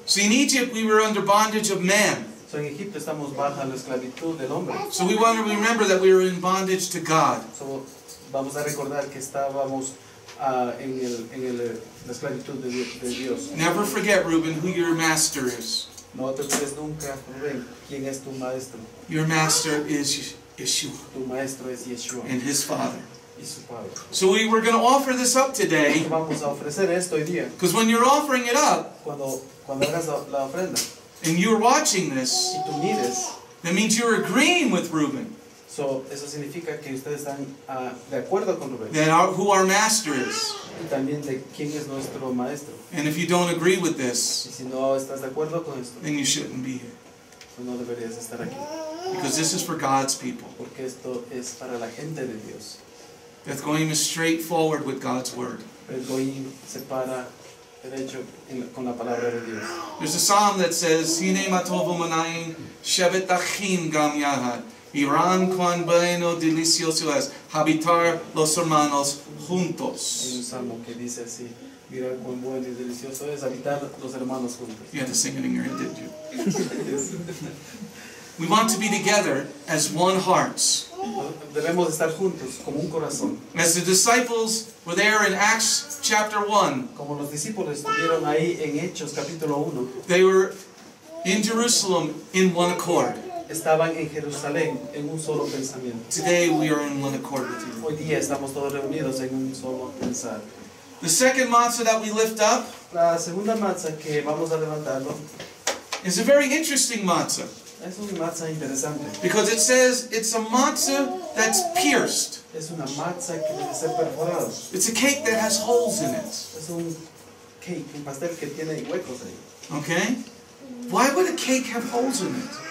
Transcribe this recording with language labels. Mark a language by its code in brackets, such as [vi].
[en] So in Egypt we were under bondage of man. [es] So, en Egipto estamos bajo la esclavitud del hombre. [en] So we want to remember that we were in bondage to God. [es] So, vamos a recordar que estábamos la esclavitud de Dios. [en] Never forget, Reuben, who your master is. [es] No te olvides nunca, Reuben, quién es tu maestro. [en] Your master is Yeshua. [es] Tu maestro es Yeshua. [en] And his father. [es] Y su padre. [en] So we were going to offer this up today. [es] Vamos a ofrecer esto hoy día. [en] Because when you're offering it up, [es] cuando hagas la ofrenda, [en] and you're watching this, [es] y tú mires, [en] that means you're agreeing with Reuben. [es] So, eso significa que ustedes están de acuerdo con Rubén. [en] That our, who our master is. [es] Y también de quién es nuestro maestro. [en] And if you don't agree with this, [es] y si no estás de acuerdo con esto, [en] then you shouldn't be here. [es] No deberías estar aquí. [en] Because this is for God's people. [es] Porque esto es para la gente de Dios. [en] Beth Goyim is straightforward with God's word. [es] Beth Goyim se para derecho con la palabra de Dios. [en] There's a psalm that says, [he] Hine matovu manayim shevet achim gam yahad. [es] Iran quan bueno delicioso es habitar los hermanos juntos. Hay un salmo que dice así: mira cuán bueno y delicioso es habitar los hermanos juntos. [en] You had to sing it in your head, didn't you? We want to be together as one heart. [es] Debemos estar juntos como un corazón. [en] As the disciples were there in Acts chapter 1. [es] Como los discípulos estuvieron ahí en Hechos capítulo 1. [en] They were in Jerusalem in one accord. [es] Estaban en Jerusalén en un solo pensamiento. [en] Today we are in one accord with you. [es] Hoy día estamos todos reunidos en un solo pensar. [en] The second matzah that we lift up, [es] la segunda matzah que vamos a levantarlo, [en] is a very interesting matzah. [es] Es una matzah interesante. [en] Because it says it's a matzah that's pierced. [es] Es una matzah que debe ser perforada. [en] It's a cake that has holes in it. [es] Es un cake, un pastel que tiene huecos ahí. [en] Okay. Why would a cake have holes in it?